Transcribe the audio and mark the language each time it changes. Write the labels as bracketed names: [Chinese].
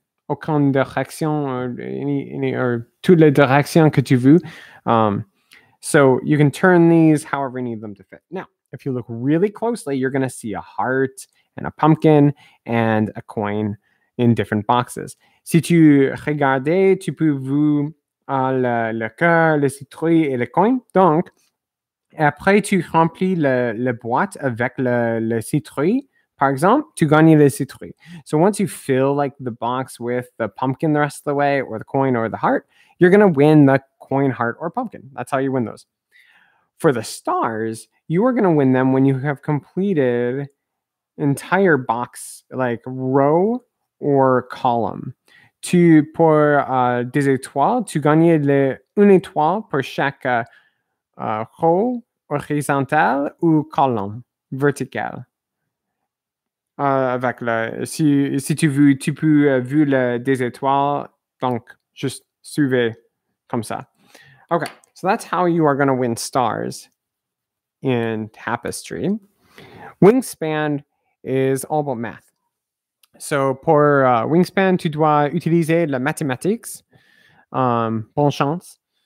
[French] aucune direction [English] or any or [French] toutes les directions que tu veux. [English] So you can turn these however you need them to fit. Now, if you look really closely, you're going to see a heart and a pumpkin and a coin in different boxes. [French] Si tu regardes, tu peux voir le cœur, le citrouille et le coin. Donc, après, tu remplis la boîte avec le citrouille, par exemple, tu gagnes le citrouille. [English] So once you fill like the box with the pumpkin the rest of the way, or the coin, or the heart, you're going to win the coin, heart, or pumpkin. That's how you win those. For the stars, you are going to win them when you have completed entire box, like row or column. [French] Tu pour des étoiles, tu gagnes une étoile pour chaque row horizontal ou column vertical. Avec le si tu veux, tu peux voir le des étoiles, donc juste suivez comme ça. [English] Okay, so that's how you are going to win stars in tapestry. Wingspan is all about math. [French] So pour wingspan, tu dois utiliser la mathématiques. Bonne chance.